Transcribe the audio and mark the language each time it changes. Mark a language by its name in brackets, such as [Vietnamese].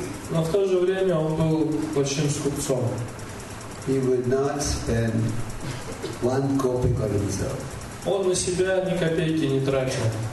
[Russian] Но в то же время он был большим скупцом. [English] He would not spend one copy on himself. [Russian] Он на себя ни копейки не тратил.